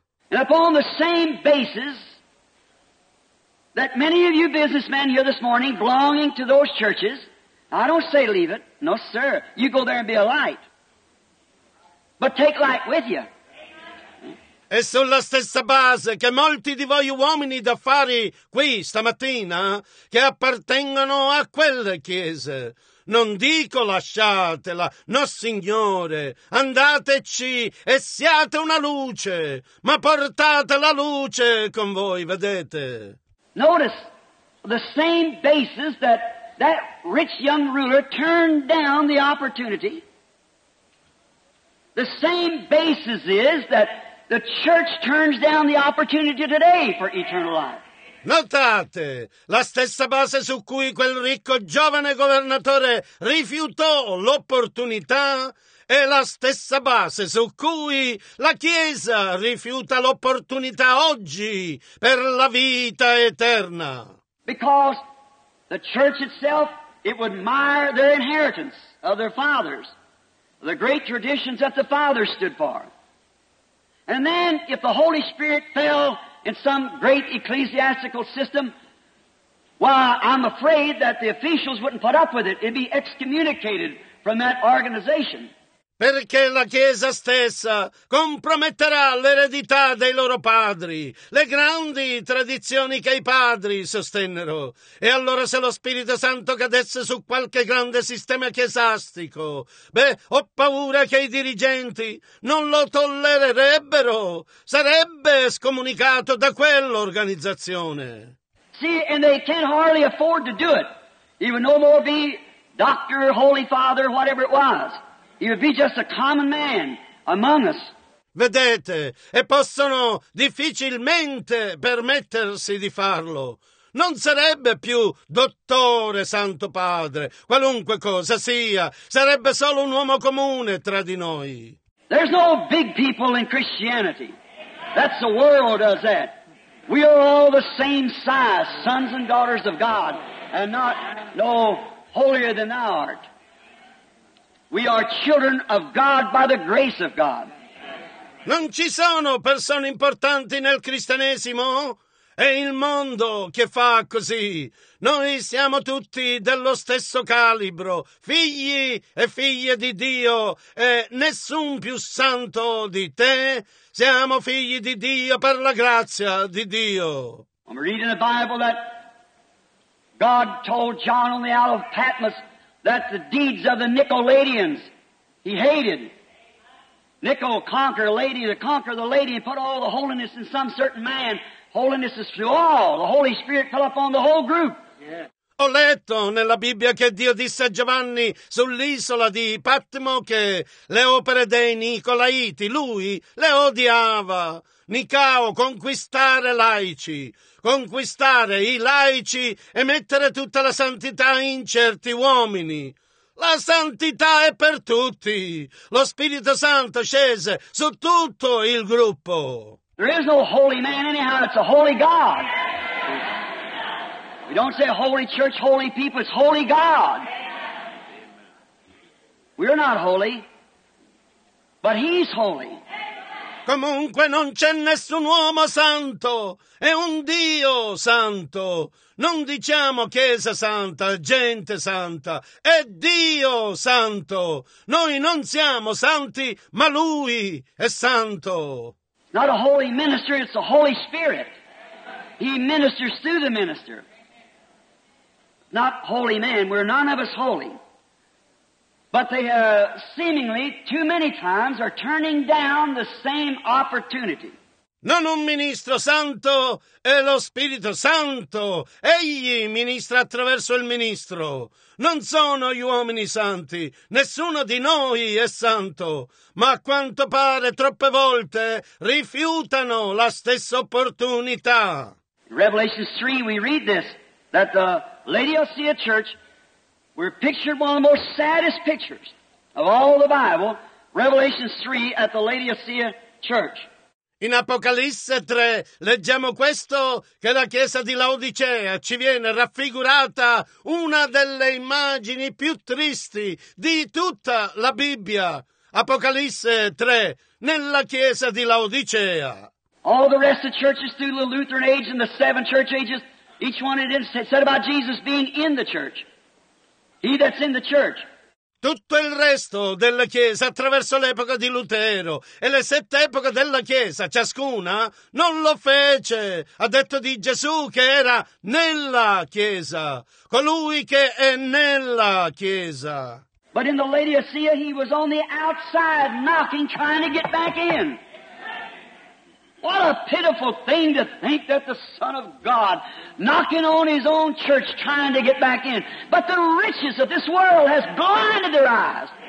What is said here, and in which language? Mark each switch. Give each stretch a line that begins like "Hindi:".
English: And upon the same basis that many of you businessmen here this morning belonging to those churches, I don't say leave it, no sir, you go there and be a light, but take light with you.
Italian: E sulla stessa base che molti di voi uomini d'affari qui stamattina che appartengono a quelle chiese, non dico lasciatela, no signore, andateci e siate una luce, ma portate la luce con voi, vedete.
English: Notice, the same basis that that rich young ruler turned down the opportunity. The same basis is that the church turns down the opportunity today for eternal life.
Italian: Notate, la stessa base su cui quel ricco giovane governatore rifiutò l'opportunità è la stessa base su cui la Chiesa rifiuta l'opportunità oggi per la vita eterna.
English: Because the church itself, it would mire their inheritance of their fathers, the great traditions that the fathers stood for. And then if the Holy Spirit fell in some great ecclesiastical system, well, I'm afraid that the officials wouldn't put up with it. It'd be excommunicated from that organization.
Italian: Perché la Chiesa stessa comprometterà l'eredità dei loro padri, le grandi tradizioni che i padri sostennero. E allora se lo Spirito Santo cadesse su qualche grande sistema chiesastico, beh, ho paura che i dirigenti non lo tollererebbero. Sarebbe scomunicato da quell'organizzazione.
English: See, and they can't hardly afford to do it. He would no more be doctor, holy father, whatever it was. He would be just a common man among us.
Italian: Vedete, e possono difficilmente permettersi di farlo. Non sarebbe più dottore, santo padre, qualunque cosa sia. Sarebbe solo un uomo comune tra di noi.
English: There's no big people in Christianity. That's the world does that. We are all the same size, sons and daughters of God, and not no holier than thou art. We are children of God by the grace of God.
Italian: Non ci sono persone importanti nel cristianesimo? È il mondo che fa così. Noi siamo tutti dello stesso calibro, figli e figlie di Dio, e nessun più santo di te. Siamo figli di Dio per la grazia di Dio.
English: I'm reading the Bible that God told John on the Isle of Patmos. That's the deeds of the Nicolaitans. He hated. Nicol, conquer a lady, to conquer the lady and put all the holiness in some certain man. Holiness is through all. The Holy Spirit fell upon the whole group.
Italian: Ho letto nella Bibbia che Dio disse a Giovanni sull'isola di Patmo che le opere dei Nicolaiti, lui le odiava. Nicao, conquistare laici. Conquistare i laici e mettere tutta la santità in certi uomini. La santità è per tutti. Lo Spirito Santo scese su tutto il gruppo.
English: There is no holy man anyhow, it's a holy God. We don't say holy church, holy people, it's holy God. We're not holy, but he's holy.
Italian: Comunque non c'è nessun uomo santo, è un Dio santo. Non diciamo chiesa santa, gente santa, è Dio santo. Noi non siamo santi, ma Lui è santo.
English: Not a holy minister, it's the Holy Spirit. He ministers through the minister. Not holy man, we're none of us holy. But they seemingly, too many times, are turning down the same opportunity.
Italian: Non un ministro santo è lo Spirito Santo. Egli ministra attraverso il ministro. Non sono gli uomini santi. Nessuno di noi è santo. Ma a quanto pare, troppe volte, rifiutano la stessa opportunità.
English: In Revelation 3 we read this, that the Laodicea Church, we're pictured one of the most saddest pictures of all the Bible, Revelation 3, at the Laodicea Church.
Italian: In Apocalisse 3 leggiamo questo, che la chiesa di Laodicea ci viene raffigurata una delle immagini più tristi di tutta la Bibbia. Apocalisse 3, nella chiesa di Laodicea.
English: All the rest of the churches through the Lutheran age and the seven church ages, each one of them said about Jesus being in the church. He that's in the church.
Italian: Tutto il resto della Chiesa attraverso l'epoca di Lutero e le sette epoche della Chiesa, ciascuna, non lo fece. Ha detto di Gesù che era nella Chiesa, colui che è nella Chiesa.
English: But in the Laodicea he was on the outside knocking, trying to get back in. What a pitiful thing to think that the Son of God knocking on his own church trying to get back in. But the riches of this world has blinded their eyes.